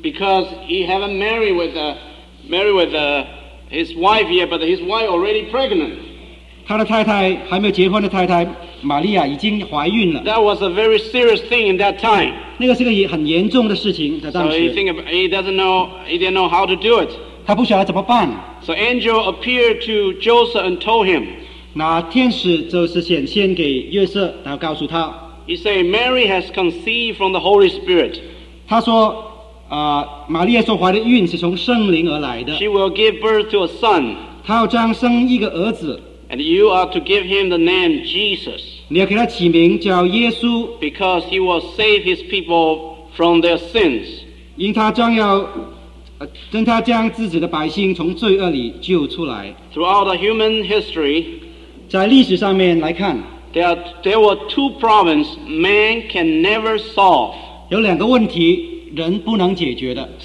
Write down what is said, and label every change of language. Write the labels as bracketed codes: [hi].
[en] because he hadn't married with his wife yet, but his wife already pregnant. [zh] 他的太太还没有结婚的太太玛利亚已经怀孕了。 [en] That was a very serious thing in that time. [zh] 那个是个很严重的事情, 在当时。 [en] So he didn't know how to do it. [zh] 他不晓得怎么办。 [en] So angel appeared to Joseph and told him. [zh] 那天使就是显现给约瑟，然后告诉他。 [en] He said, Mary has conceived from the Holy Spirit. [zh] 他说，玛利亚所怀的孕是从圣灵而来的。 [en] She will give birth to a son. [zh] 她要将生一个儿子。 [en] And you are to give him the name Jesus. [zh] 你要给他起名叫耶稣。 [en] Because he will save his people from their sins. [zh] 因他将要 真他将自己的百姓从罪恶里救出来。 [en] Throughout the human history, [zh] 在历史上面来看, [en] there were two problems man can never solve. [zh] 有两个问题人不能解决的,